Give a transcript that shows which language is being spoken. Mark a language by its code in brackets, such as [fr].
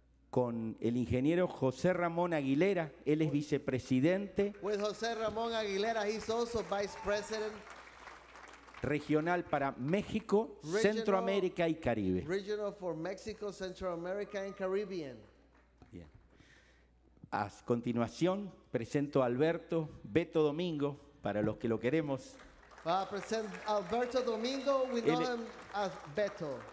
[es] Con el ingeniero José Ramón Aguilera, él es vicepresidente. [en] With José Ramón Aguilera, he's also vice president. [es] Regional para México, [en] regional, [es] Centroamérica y Caribe. [en] Regional for Mexico, Central America and Caribbean. [es] Bien. A continuación, presento a Alberto Beto Domingo, para los que lo queremos. [en] Present Alberto Domingo, we know him as Beto.